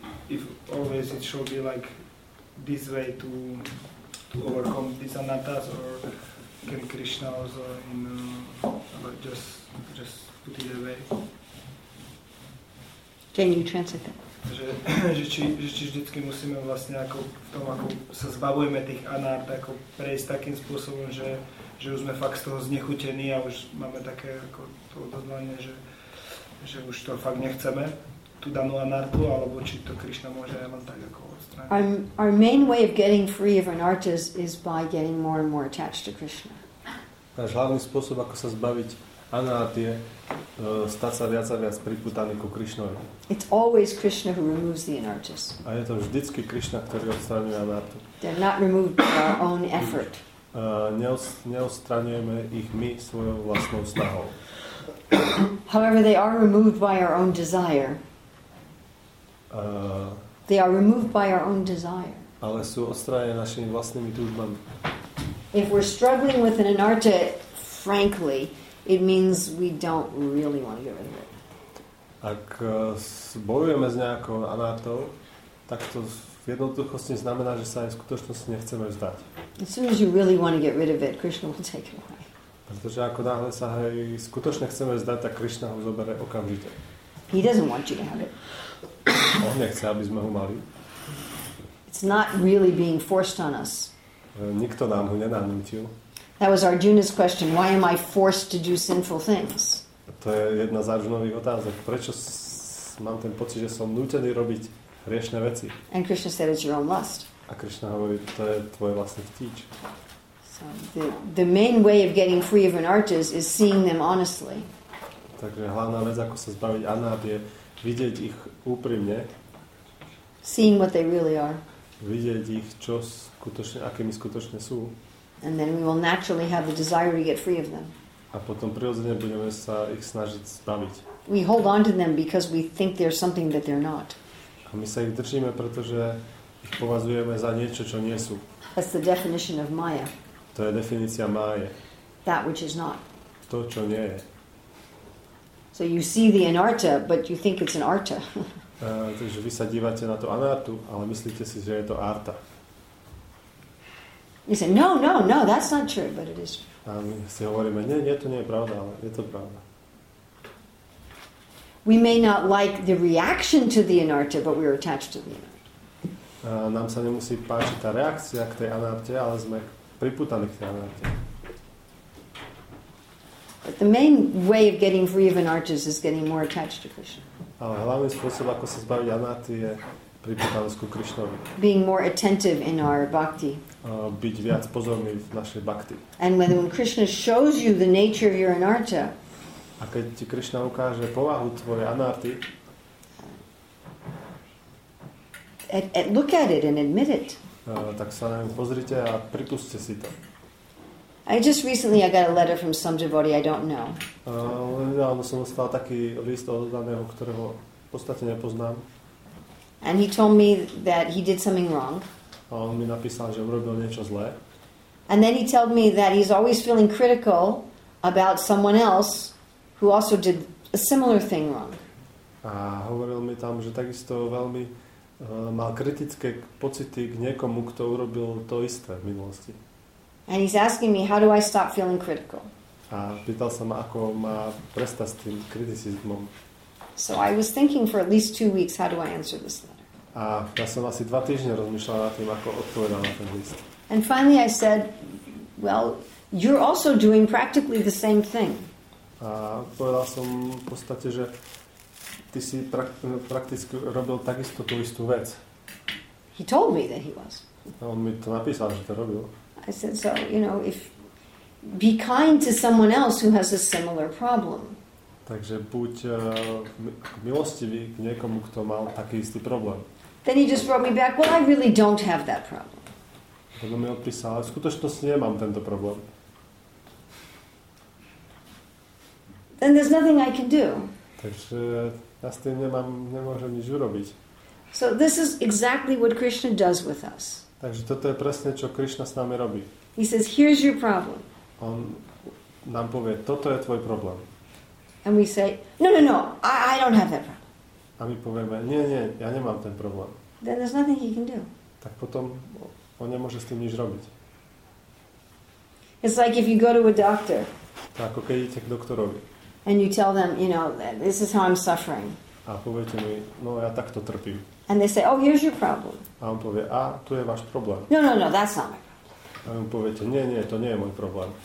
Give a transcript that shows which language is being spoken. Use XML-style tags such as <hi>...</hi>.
<en>If always it should be like this way to overcome these anattas, or can Krishna also in just put it away? Can you translate that?</en> <sk>Že či vždycky musíme vlastne ako v tom, ako sa zbavujeme tých anárd, ako prejsť takým spôsobom, že už sme fakt z toho znechutení a už máme také ako to odhodlanie, že už to fakt nechceme, tú danú anárdu, alebo či to Krišna môže aj len tak ako odstrániť.</sk> <en>Our main way of getting free of anárdas is by getting more and more attached to Krishna.</en> <sk>Náš hlavný spôsob, ako sa zbaviť anárd, je stať sa viac a viac pripútaný ku Krišnovi.</sk> <en>It's always Krishna who removes the anárdas.</en> <sk>A je to vždycky Krišna, ktorý odstraňuje anárdu.</sk> <en>They're not removed by our own effort.</en> <sk>Neostraňujeme ich my svojou vlastnou snahou.</sk> <en>However, they are removed by our own desire. They are removed by our own desire.</en> <sk>Ale sú odstraňujeme našimi vlastnými túžbami.</sk> <en>If we're struggling with an anarta, frankly, it means we don't really want to get rid of it.</en> <sk>Ak bojujeme s nejakou anartou, tak to v jednoduchosti znamená, že sa aj v skutočnosti nechceme vzdať.</sk> <en>As soon as you really want to get rid of it, Krishna will take it away.</en> <sk>Pretože ako náhle sa aj skutočne chceme vzdať, tak Krishna ho zoberie okamžite.</sk> <en>He doesn't want you to have it.</en> <sk>On nechce, aby sme ho mali.</sk> <en>It's not really being forced on us.</en> <sk>Nikto nám ho nenanútil.</sk> <en>That was Arjuna's question. Why am I forced to do sinful things?</en> <sk>To je jedna z Arjunových otázok. Prečo mám ten pocit, že som nútený robiť hriešne veci?</sk> <en>And Krishna said, it's your own lust.</en> <sk>A Krishna hovorí, to je tvoj vlastný chtíč.</sk> <en>So the main way of getting free of anartas is seeing them honestly.</en> <sk>Takže hlavná vec, ako sa zbaviť anart, je vidieť ich úprimne.</sk> <en>Seeing what they really are.</en> <sk>Vidieť ich, čo skutočne, akými skutočne sú.</sk> <en>And then we will naturally have the desire to get free of them.</en> <sk>A potom prirodzene budeme sa ich snažiť zbaviť.</sk> <en>We hold on to them because we think they're something that they're not.</en> <sk>A my sa ich držíme, pretože ich považujeme za niečo, čo nie sú.</sk> <en>That's the definition of Maya.</en> <sk>To je definícia Máje.</sk> <en>That which is not.</en> <sk>To, čo nie je.</sk> <en>So you see the anarta, but you think it's an arta.</en> <sk>Takže vy sa dívate na to anartu, ale myslíte si, že je to arta.</sk> <en>You say, no, that's not true, but it is true.</en> <sk>A my si hovoríme, nie, to nie je pravda, ale je to pravda.</sk> <en>We may not like the reaction to the anarta, but we are attached to the anarta.</en> <sk>Nám sa nemusí páčiť tá reakcia k tej anarte, ale sme pripútaní k tej anarte.</sk> <en>But the main way of getting free of anartas is getting more attached to Krishna.</en> <sk>Ale hlavný spôsob, ako sa zbaviť anarty, je pripútanosť ku Krišnovi.</sk> <en>Being more attentive in our bhakti.</en> <sk>Byť viac pozorný v našej bhakti.</sk> <en>And when Krishna shows you the nature of your anarta.</en> <sk>A keď ti Krishna ukáže povahu tvojej anarty.</sk> <en>Look at it and admit it.</en> <sk>Tak sa na ňu pozrite a pripuste si to.</sk> <en>I just recently I got a letter from some devotee I don't know.</en> <sk>Nedávno som dostal taký list od daného, ktorého v podstate nepoznám.</sk> <en>And he told me that he did something wrong.</en> <sk>A on mi napísal, že urobil niečo zlé.</sk> <en>And then he told me that he's always feeling critical about someone else who also did a similar thing wrong.</en> <sk>A hovoril mi tam, že takisto veľmi mal kritické pocity k niekomu, kto urobil to isté v minulosti.</sk> <en>And he's asking me, how do I stop feeling critical?</en> <sk>A pýtal sa ma, ako má prestať s tým kritizmom.</sk> <en>So I was thinking for at least 2 weeks, how do I answer this letter?</en> <sk>A ja som asi 2 týždne rozmýšľal nad tým, ako odpovedal na ten list.</sk> <en>And finally I said, well, you're also doing practically the same thing.</en> <sk>A povedal som v podstate, že ty si prakticky robil takisto tú istú vec.</sk> <en>He told me that he was.</en> <sk>A on mi to napísal, že to robil.</sk> <en>I said, so, you know, if be kind to someone else who has a similar problem.</en> <sk>Takže buď milostivý k niekomu, kto mal taký istý problém.</sk> <en>Then he just wrote me back, well, I really don't have that problem.</en> <sk>Potom mi odpísal, ale v skutočnosti nemám tento problém.</sk> <en>Then there's nothing I can do.</en> <sk>Takže ja s tým nemôžem nič urobiť.</sk> <en>So this is exactly what Krishna does with us.</en> <sk>Takže toto je presne, čo Krishna s nami robí.</sk> <en>He says, here's your problem.</en> <sk>On nám povie, toto je tvoj problém.</sk> <en>And we say, no, I don't have that problem.</en> <sk>A my povieme, nie, ja nemám ten problém.</sk> <en>Then there's nothing he can do.</en> <sk>Tak potom on nemôže s tým nič robiť.</sk> <en>It's like if you go to a doctor.</en> <sk>Tak ako keď idete k doktorovi.</sk> <en>And you tell them, you know, this is how I'm suffering.</en> <sk>A poviete mi, no ja takto trpím.</sk> <en>And they say, oh, here's your problem.</en> <sk>A on povie, a tu je váš problém.</sk> <en>No, no, no, that's not my problem.</en> <sk>A vy mu poviete, nie, nie, to nie je môj problém.</sk>